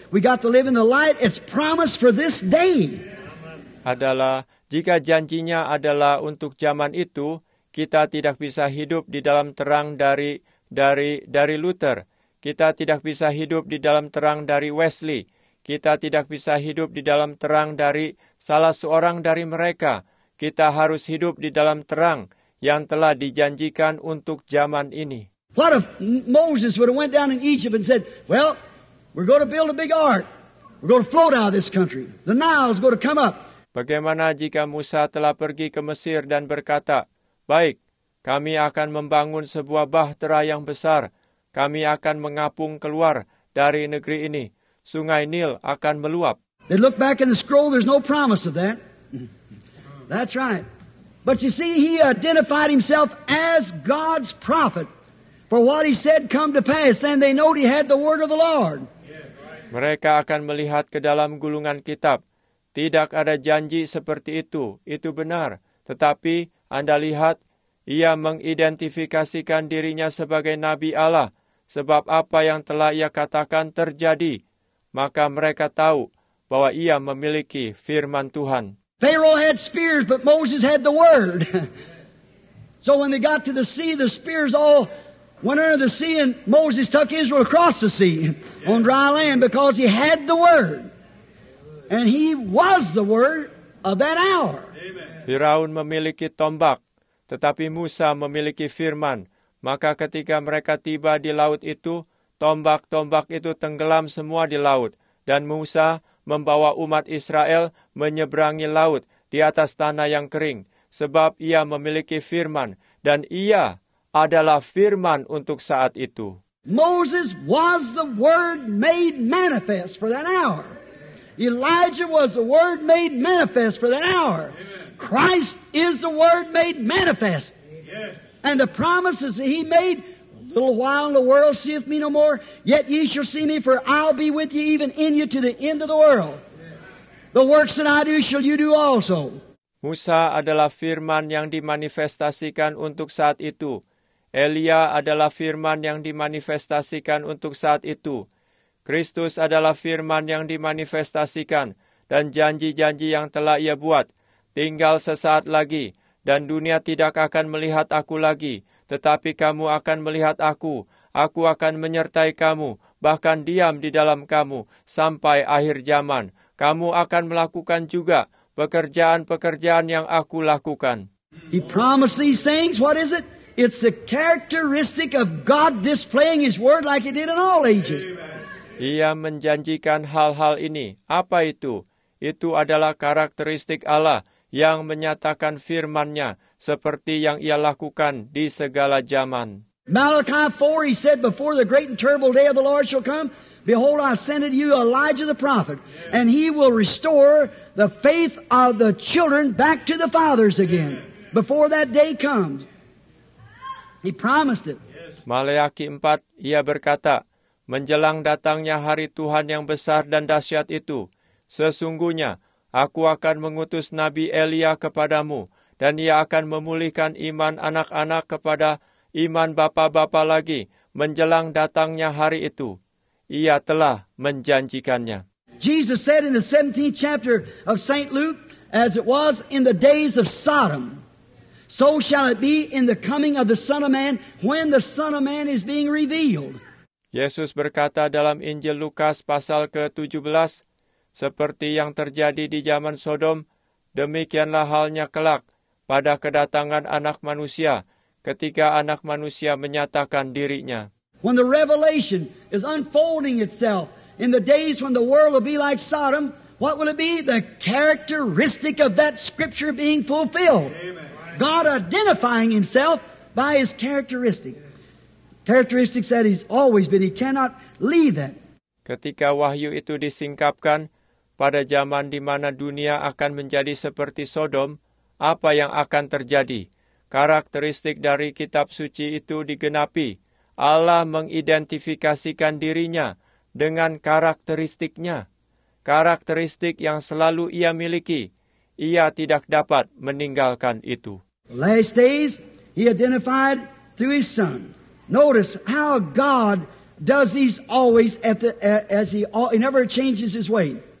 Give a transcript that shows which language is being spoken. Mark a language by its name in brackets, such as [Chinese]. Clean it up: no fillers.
[English] We got to live in the light, it's promised for this day. [Indonesian] Adalah, jika janjinya adalah untuk zaman itu, kita tidak bisa hidup di dalam terang dari Luther. Kita tidak bisa hidup di dalam terang dari Wesley. Kita tidak bisa hidup di dalam terang dari salah seorang dari mereka. Kita harus hidup di dalam terang yang telah dijanjikan untuk zaman ini. [English] What if Moses would have went down in Egypt and said, well, we're going to build a big ark. We're going to float out of this country. The Nile is going to come up. [Indonesian] Bagaimana jika Musa telah pergi ke Mesir dan berkata, baik, kami akan membangun sebuah bahtera yang besar. Kami akan mengapung keluar dari negeri ini. Sungai Nil akan meluap. [English] They look back in the scroll, there's no promise of that. That's right. But you see, he identified himself as God's prophet. For what he said come to pass, then they know he had the word of the Lord. [Indonesian] Mereka akan melihat ke dalam gulungan kitab. Tidak ada janji seperti itu. Itu benar. Tetapi, Anda lihat, ia mengidentifikasikan dirinya sebagai Nabi Allah. Sebab apa yang telah ia katakan terjadi. Maka mereka tahu bahwa ia memiliki firman Tuhan. [English] Pharaoh had spears, but Moses had the word. So when they got to the sea, the spears all went under the sea and Moses took Israel across the sea on dry land because he had the word. And he was the word of that hour. [Indonesian] Firaun memiliki tombak, tetapi Musa memiliki firman. Maka ketika mereka tiba di laut itu, tombak-tombak itu tenggelam semua di laut. Dan Musa membawa umat Israel menyeberangi laut di atas tanah yang kering. Sebab ia memiliki firman. Dan ia adalah firman untuk saat itu. [English] Moses was the word made manifest for that hour. Elijah was the word made manifest for that hour. Amen. Christ is the word made manifest. Yes. And the promises that he made, a little while the world seeth me no more, yet ye shall see me, for I'll be with you even in you to the end of the world. Yes. The works that I do shall you do also. [Indonesian] Musa adalah firman yang dimanifestasikan untuk saat itu. Elia adalah firman yang dimanifestasikan untuk saat itu. Kristus adalah firman yang dimanifestasikan, dan janji-janji yang telah ia buat. Tinggal sesaat lagi, dan dunia tidak akan melihat aku lagi, tetapi kamu akan melihat aku. Aku akan menyertai kamu, bahkan diam di dalam kamu, sampai akhir zaman. Kamu akan melakukan juga pekerjaan-pekerjaan yang aku lakukan. [English] He promised these things, what is it? It's the characteristic of God displaying His word like He did in all ages. [Indonesian] Ia menjanjikan hal-hal ini. Apa itu? Itu adalah karakteristik Allah yang menyatakan firman-Nya seperti yang Ia lakukan di segala zaman. [English] Malachi 4, He said, before the great and terrible day of the Lord shall come, behold, I send unto you Elijah the prophet, and he will restore the faith of the children back to the fathers again, before that day comes. He promised it. [Indonesian] Malachi 4, Ia berkata, menjelang datangnya hari Tuhan yang besar dan dahsyat itu, sesungguhnya aku akan mengutus Nabi Elia kepadamu, dan ia akan memulihkan iman anak-anak kepada iman bapa-bapa lagi menjelang datangnya hari itu. Ia telah menjanjikannya. [English] Jesus said in the 17th chapter of St. Luke, as it was in the days of Sodom, so shall it be in the coming of the Son of Man, when the Son of Man is being revealed. [Indonesian] Yesus berkata dalam Injil Lukas pasal ke-17, seperti yang terjadi di zaman Sodom, demikianlah halnya kelak pada kedatangan Anak Manusia, ketika Anak Manusia menyatakan diri-Nya. [English] When the revelation is unfolding itself in the days when the world will be like Sodom, what will it be? The characteristic of that scripture being fulfilled. God identifying Himself by His characteristic. Characteristics that He's always been, He cannot leave that. [Indonesian] Ketika wahyu itu disingkapkan, pada zaman di mana dunia akan menjadi seperti Sodom, apa yang akan terjadi? karakteristik dari kitab suci itu digenapi. Allah mengidentifikasikan dirinya dengan karakteristiknya. Karakteristik yang selalu ia miliki, ia tidak dapat meninggalkan itu. [English] Last days, he identified through his son. Notice how God does these always he never changes his way.